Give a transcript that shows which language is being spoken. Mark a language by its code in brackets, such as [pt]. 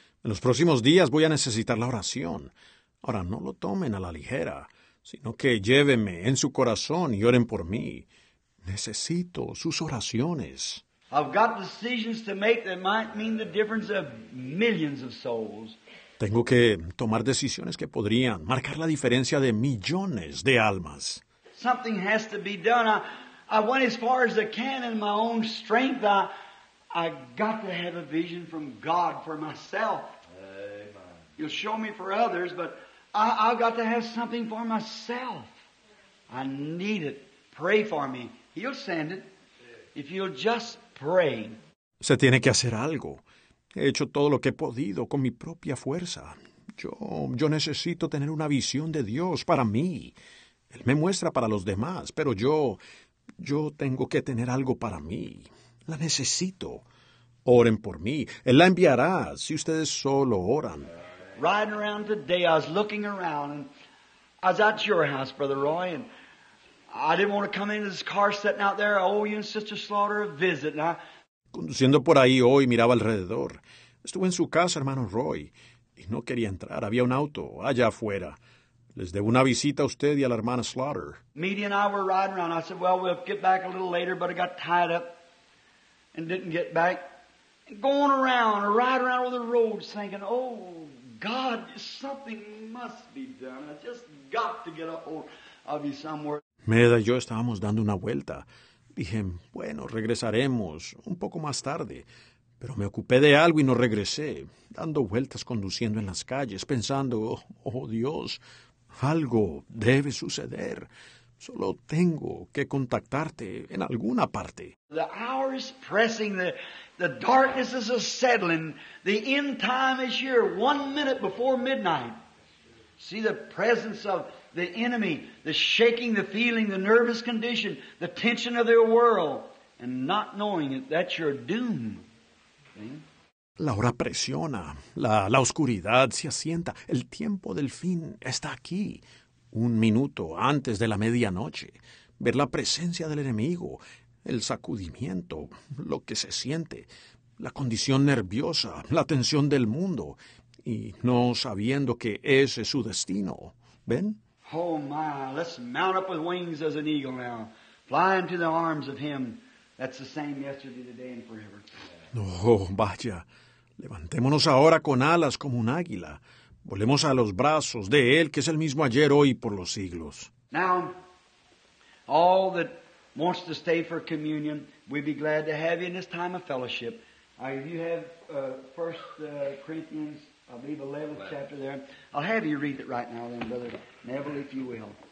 [es] En los próximos días voy a necesitar la oración. Ahora, no lo tomen a la ligera, sino que llévenme en su corazón y oren por mí. Necesito sus oraciones. [en] I've got decisions to make that might mean the difference of millions of souls. [es] Tengo que tomar decisiones que podrían marcar la diferencia de millones de almas. [en] Something has to be done. I went as far as I can in my own strength. I got to have a vision from God for myself. Amen. You'll show me for others, but I've got to have something for myself. I need it. Pray for me. He'll send it. If you'll just pray. [es] Se tiene que hacer algo. He hecho todo lo que he podido con mi propia fuerza. Yo necesito tener una visión de Dios para mí. Él me muestra para los demás, pero yo tengo que tener algo para mí. La necesito. Oren por mí. Él la enviará si ustedes solo oran. [en] Riding around today, I was looking around, and I was at your house, Brother Roy, and I didn't want to come into this car sitting out there. I owe you and Sister Slaughter a visit. And [es] conduciendo por ahí hoy, miraba alrededor. Estuve en su casa, hermano Roy, y no quería entrar. Había un auto allá afuera. Les debo una visita a usted y a la hermana Slaughter. [en] Media and I were riding around. I said, well, we'll get back a little later, but I got tied up and didn't get back. And going around, riding around on the road, thinking, oh, God, something must be done. I just got to get up or I'll be somewhere. [es] Meda y yo estábamos dando una vuelta. Dije, bueno, regresaremos un poco más tarde. Pero me ocupé de algo y no regresé, dando vueltas, conduciendo en las calles, pensando, oh, Dios, algo debe suceder. Solo tengo que contactarte en alguna parte. [en] The hour is pressing. The darkness is settling. The end time is here, 1 minute before midnight. See the presence of the enemy, the shaking, the feeling, the nervous condition, the tension of their world, and not knowing it, that's your doom. [es] La hora presiona, la oscuridad se asienta, el tiempo del fin está aquí, un minuto antes de la medianoche. Ver la presencia del enemigo, el sacudimiento, lo que se siente, la condición nerviosa, la tensión del mundo, y no sabiendo que ese es su destino. ¿Ven? [en] Oh, my, let's mount up with wings as an eagle now, fly into the arms of him that's the same yesterday, today, and forever. [es] Oh, vaya, levantémonos ahora con alas como un águila. Volemos a los brazos de él que es el mismo ayer, hoy, por los siglos. [en] Now, all that wants to stay for communion, we'd be glad to have you in this time of fellowship. If you have 1 Corinthians, I believe, 11th chapter there, I'll have you read it right now, then, Brother Neville, if you will.